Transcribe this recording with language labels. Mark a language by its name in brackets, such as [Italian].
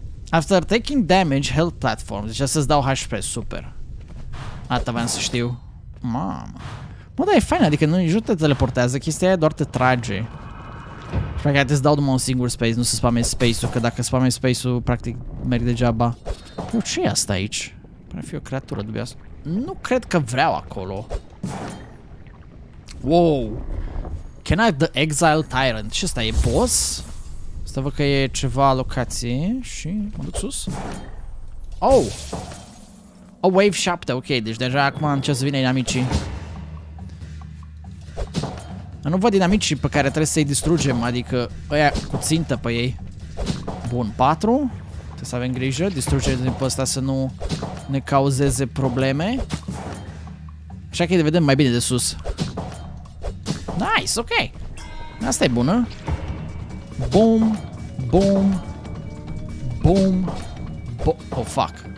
[English] After taking damage, health platform. [Romanian] Deci să-ți dau HP, super. Asta vreau să știu. Mamă. Mă, dar e fain, adică nu, nici nu te teleportează, chestia aia doar te trage. Și practic trebuie să dau numai un singur space, nu să spamez space-ul, că dacă spamez space-ul, practic merg degeaba. Eu, ce e asta aici? Pare fi o creatură dubioasă. Nu cred că vreau acolo. Wow. [English] Can I have the Exile Tyrant? [Romanian] Ce ăsta e, boss? Asta văd că e ceva locație și mă duc sus. Oh! A wave 7, ok, deci deja acum încep să vină inamicii. Dar nu văd inamicii pe care trebuie să-i distrugem, adică ăia cu țintă pe ei. Bun, 4. Trebuie să avem grijă, distrugem din pe ăsta să nu ne cauzeze probleme. Așa că îi vedem mai bine de sus. Nice, ok. Asta e bună. Boom, boom, boom, boom, oh fuck.